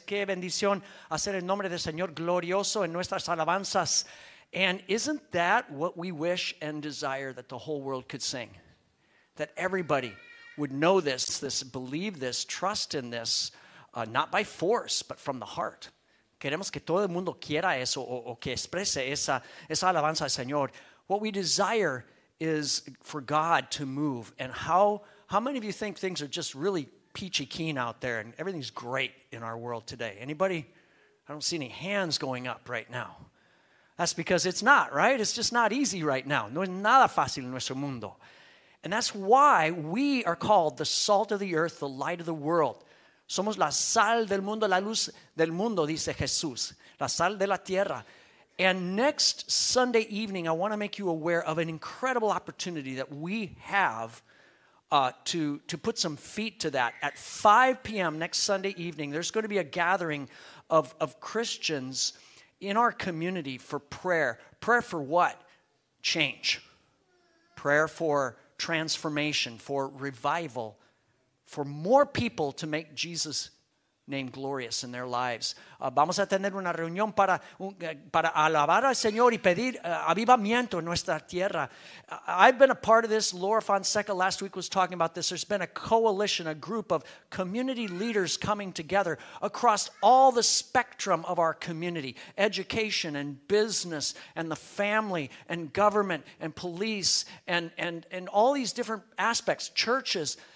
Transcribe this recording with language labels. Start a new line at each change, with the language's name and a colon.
Spanish: Qué bendición hacer el nombre del Señor glorioso en nuestras alabanzas.
English: And isn't that what we wish and desire that the whole world could sing? That everybody would know this, believe this, trust in this, not by force, but from the heart.
Spanish: Queremos que todo el mundo quiera eso o que exprese esa alabanza al Señor.
English: What we desire is for God to move. And how many of you think things are just really peachy keen out there and everything's great in our world today? Anybody? I don't see any hands going up right now. That's because it's not, right? It's just not easy right now.
Spanish: No es nada fácil en nuestro mundo.
English: And that's why we are called the salt of the earth, the light of the world.
Spanish: Somos la sal del mundo, la luz del mundo, dice Jesús. La sal de la tierra.
English: And next Sunday evening, I want to make you aware of an incredible opportunity that we have to put some feet to that. At 5 p.m. next Sunday evening, there's going to be a gathering of Christians in our community for prayer. Prayer for what? Change. Prayer for transformation, for revival, for more people to make Jesus name glorious in their lives.
Spanish: Vamos a tener una reunión para alabar al Señor y pedir avivamiento en nuestra tierra.
English: I've been a part of this. Laura Fonseca last week was talking about this. There's been a coalition, a group of community leaders coming together across all the spectrum of our community, education and business and the family and government and police and all these different aspects, churches.